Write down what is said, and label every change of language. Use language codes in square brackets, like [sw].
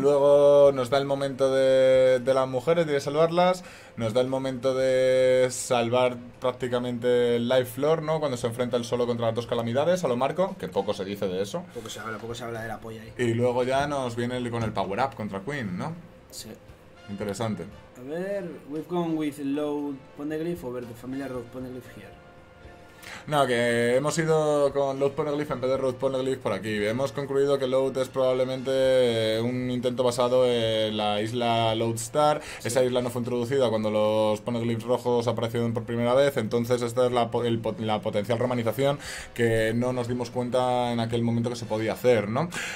[es] Luego nos da el momento de las mujeres, de salvarlas. Nos da el momento de salvar prácticamente el Life Floor, ¿no? Cuando se enfrenta el solo contra las dos calamidades, a lo Marco, que poco se dice de eso. Poco se habla de la polla ahí. Y luego ya nos viene con el Power Up contra Queen, ¿no? Sí. Interesante. A ver, [en] we've gone with low Poneglyph over the familiar road Poneglyph here. [es] No, que hemos ido con Lode Poneglyph en vez de Road Poneglyph por aquí. Hemos concluido que Lode es probablemente un intento basado en la isla Lodestar. Sí. Esa isla no fue introducida cuando los Poneglyphs rojos aparecieron por primera vez. Entonces esta es la potencial romanización que no nos dimos cuenta en aquel momento que se podía hacer, ¿no?